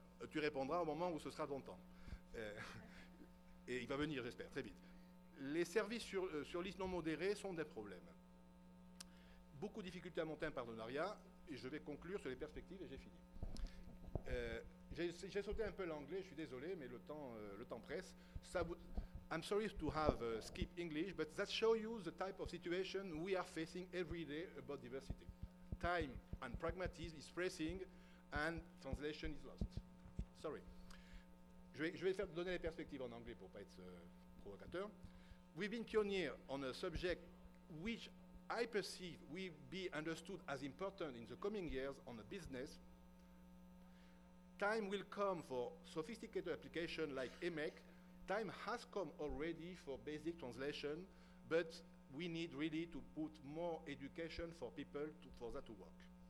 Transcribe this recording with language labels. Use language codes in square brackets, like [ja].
[fr] Tu répondras au moment où ce sera ton temps. Et il va venir, j'espère, très vite. Les services sur liste non modérée sont des problèmes. Beaucoup de difficultés à monter un partenariat, et je vais conclure sur les perspectives, et j'ai fini. J'ai sauté un peu l'anglais, je suis désolé, mais le temps presse. [en] I'm sorry to have skip English, but that shows you the type of situation we are facing every day about diversity. Time and pragmatism is pressing, and translation is lost. Sorry. [fr] Je vais donner les perspectives en anglais pour ne pas être provocateur. [en] We've been pioneers on a subject which I perceive will be understood as important in the coming years on the business. Time will come for sophisticated applications like EMEC. Time has come already for basic translation, but we need really to put more education for people for that to work.